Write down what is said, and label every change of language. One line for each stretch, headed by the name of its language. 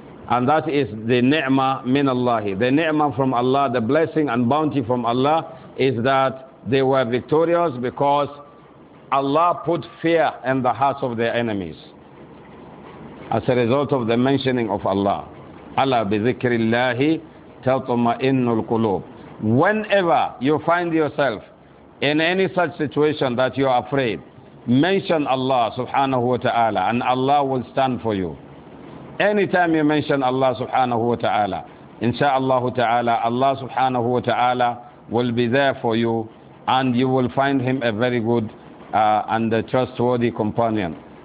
English: And that is the ni'mah min Allah. The ni'mah from Allah, the blessing and bounty from Allah is that they were victorious because Allah put fear in the hearts of their enemies as a result of the mentioning of Allah.
Arabic: Allah بِذِكْرِ اللَّهِ تَطْمَئِنُّ الْقُلُوبِ.
English: Whenever you find yourself in any such situation that you are afraid, mention Allah subhanahu wa ta'ala and Allah will stand for you. Anytime you mention Allah subhanahu wa ta'ala, insha'Allah ta'ala, Allah subhanahu wa ta'ala will be there for you and you will find him a very good and a trustworthy companion.